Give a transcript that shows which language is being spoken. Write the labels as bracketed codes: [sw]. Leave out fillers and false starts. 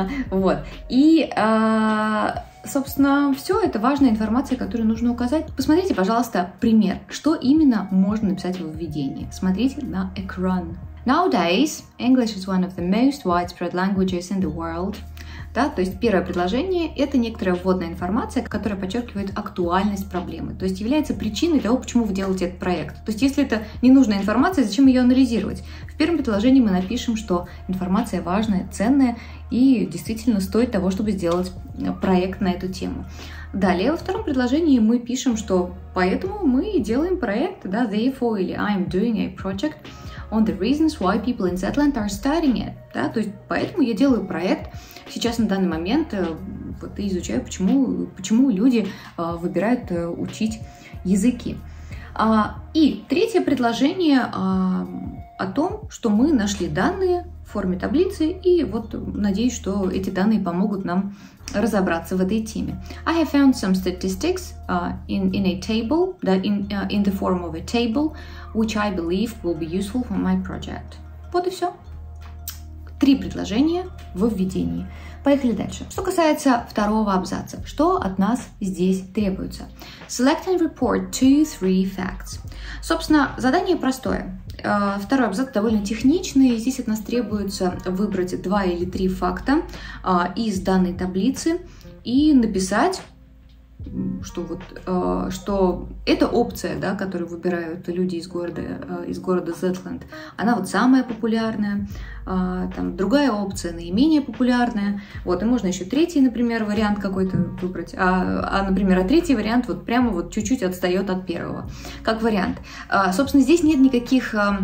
[ru] Вот, и... Собственно, все это важная информация, которую нужно указать. Посмотрите, пожалуйста, пример. Что именно можно написать в введении? Смотрите на экран. [en] Nowadays, English is one of the most widespread languages in the world. [ru] Да, то есть первое предложение – это некоторая вводная информация, которая подчеркивает актуальность проблемы, то есть является причиной того, почему вы делаете этот проект. То есть если это ненужная информация, зачем ее анализировать? В первом предложении мы напишем, что информация важная, ценная и действительно стоит того, чтобы сделать проект на эту тему. Далее, во втором предложении мы пишем, что поэтому мы делаем проект, да, [en] therefore [ru] или [en] I'm doing a project on the reasons why people in Zetland are studying it. [ru] Да, то есть поэтому я делаю проект сейчас на данный момент, вот, и изучаю, почему люди выбирают учить языки. И третье предложение о том, что мы нашли данные в форме таблицы, и вот надеюсь, что эти данные помогут нам разобраться в этой теме. [en] I have found some statistics in a table, that in the form of a table, which I believe will be useful for my project. [ru] Вот и все. Три предложения во введении. Поехали дальше. Что касается второго абзаца, что от нас здесь требуется? [en] Select and report 2-3 facts. [ru] Собственно, задание простое. Второй абзац довольно техничный. Здесь от нас требуется выбрать 2 или 3 факта из данной таблицы и написать, что вот, что эта опция, да, которую выбирают люди из города Zetland, она вот самая популярная, там другая опция наименее популярная, вот, и можно еще третий, например, вариант какой-то выбрать, например, а третий вариант вот прямо вот чуть-чуть отстает от первого, как вариант. Собственно, здесь нет никаких